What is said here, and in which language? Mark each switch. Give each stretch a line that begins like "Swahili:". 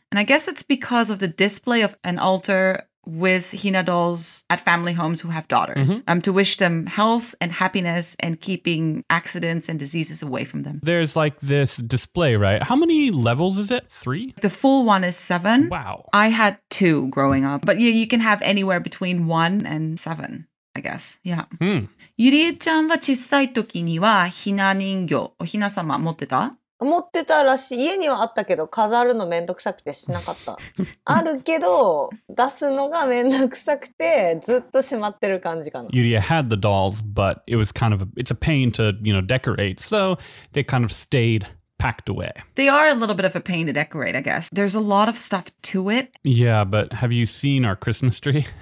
English: And I guess it's because of the display of an altar... with hina dolls at family homes who have daughters, to wish them health and happiness and keeping accidents and diseases away from them. There's like this display, right? How many levels is it? Three? The full one is seven. Wow. I had two growing up, but yeah, you can have anywhere between one and seven, I guess. Yeah.
Japanese: ゆりえちゃんは小さい時にはひな人形、おひな様持ってた？持ってたらしい。家にはあったけど、飾るのめんどくさくてしなかった。あるけど、出すのがめんどくさくて、ずっとしまってる感じかな。
English: Yuria had the dolls, but it was kind of, it's a pain to, you know, decorate. So, they kind of stayed packed away. They are a little bit of a pain to decorate, I guess. There's a lot of stuff to it. Yeah, but have you seen our Christmas tree?